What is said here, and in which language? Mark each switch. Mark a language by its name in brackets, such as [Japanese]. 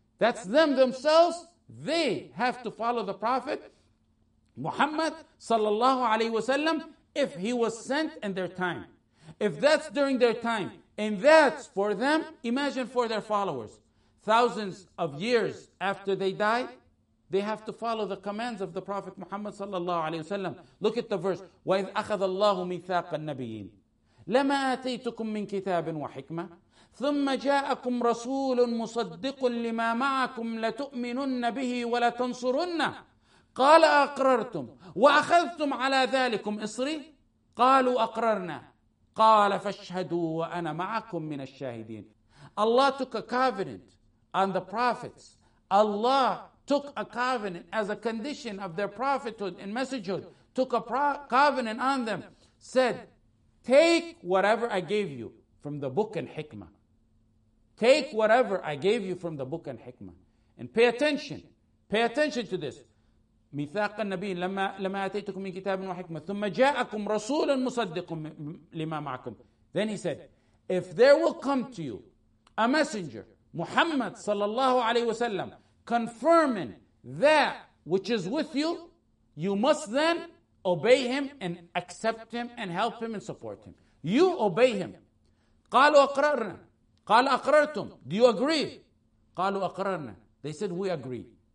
[English] That's them themselves. They have to follow the Prophet Muhammad sallallahu alayhi wasallam if he was sent in their time. If that's during their time, and that's for them, imagine for their followers. Thousands of years after they die, they have to follow the commands of the Prophet Muhammad sallallahu alayhi wasallam. Look at the verse. [Arabic] وَإِذْ أَخَذَ اللَّهُ مِيثَاقَ النَّبِيِّينَ لَمَا آتَيْتُكُمْ مِنْ كِتَابٍ وَحِكْمَةٍ ثُمَّ جَاءَكُمْ رَسُولٌ مُصَدِّقٌ لِمَا مَعَكُمْ لَتُؤْمِنُنَّ بِهِ وَلَتَنْصُرُنَّ قَالَ أَقْرَرْتُمْ وَأَخَذْتُمْ عَلَى ذَلِكُمْ إِصْرِي قَالُوا أَقْرَرْنَا قَالَ فَاشْهَدُوا وَأَنَا مَعَكُمْ مِنَ الشَّاهِدِينَ [English] Allah took a covenant on the prophets. Allah took a covenant as a condition of their prophethood and messengerhood. Took a covenant on them. Said, take whatever I gave you from the book and hikmah. Take whatever I gave you from the book and hikmah. And pay attention. Pay attention to this. [Arabic] ميثاق النبي لما أتيتكم من كتاب وحكمة ثم جاءكم رسول مصدق لما معكم. [English] Then he said, if there will come to you a messenger, Muhammad [Arabic] صلى الله عليه وسلم, [English] confirming that which is with you, you must then obey him and accept him and help him and support him. You obey him. [Arabic] قالوا أقررنا. قال أقررتم. [English] Do you agree? [Arabic] قالوا أقررنا. [English] They said, we agree.